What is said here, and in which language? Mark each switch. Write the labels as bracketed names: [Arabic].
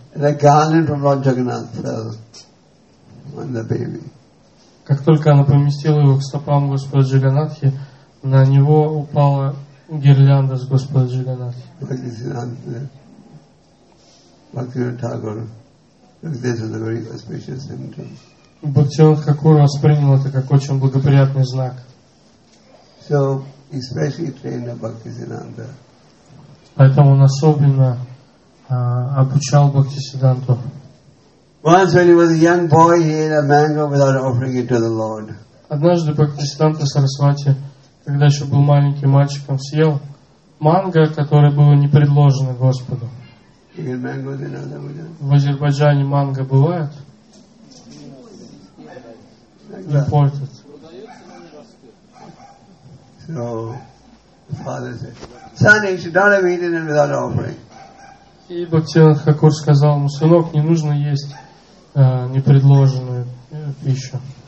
[English] The garland of Lord Jagannath fell on the baby. [Russian] Как только она поместила его к стопам Господа Джаганнатхи, на него упала гирлянда с Господа Джаганнатхи. [English] Bhaktisiddhanta Thakur took this as a very auspicious symptom. [Russian] Бхактисиддханта Такур воспринял это как очень благоприятный знак. [English] So, especially trained Bhaktisiddhanta. [Russian] Поэтому он особенно обучал Бхактисиддханту. [English] Once when he was a young boy, he ate a mango without offering it to the Lord. [Russian] Однажды Бхактисиддханта Сарасвати, когда еще был маленьким мальчиком, съел манго, которое было не предложено Господу. В Азербайджане манго бывает? [English] Imported. So, the father said, Son, you should not have eaten it without offering. [Russian] И Бхактисиддханта Такур сказал ему, сынок, не нужно есть непредложенную пищу.